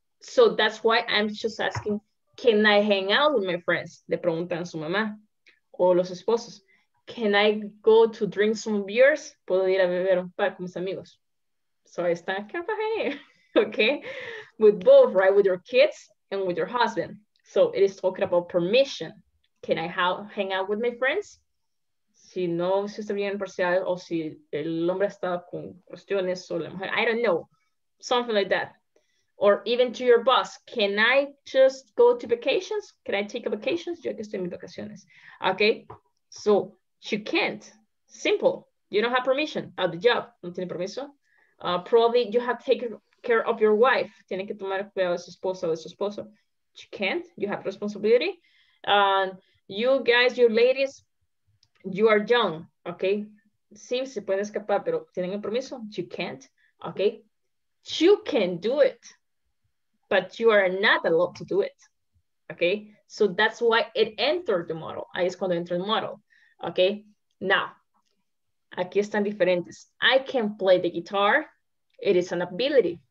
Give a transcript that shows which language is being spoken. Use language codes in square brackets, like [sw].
[en] So that's why I'm just asking, can I hang out with my friends? [es] Le preguntan a su mamá o los esposos. [en] Can I go to drink some beers? [es] ¿Puedo ir a beber un par con mis amigos? [en] So I stand here, okay? With both, right? With your kids and with your husband. So it is talking about permission. Can I hang out with my friends? [es] Si no, si está bien parcial o si el hombre está con cuestiones o la mujer, [en] I don't know. Something like that. Or even to your boss, can I just go to vacations? Can I take a vacation? [es] Yo que estoy en mis vacaciones. [en] Okay, so you can't. Simple. You don't have permission at the job. [es] No tiene permiso. [en] Probably you have to take care of your wife. [es] Tiene que tomar cuidado de su esposa o de su esposo. [en] You can't. You have responsibility. You guys, you ladies, you are young. [es] Okay, sí, se pueden escapar, pero tienen el permiso. [en] You can't. Okay, you can do it. But you are not allowed to do it, okay? So that's why it entered the model. [es] Ahí es cuando entra el model, okay? [en] Now, [es] aquí están diferentes. [en] I can play the guitar. It is an ability.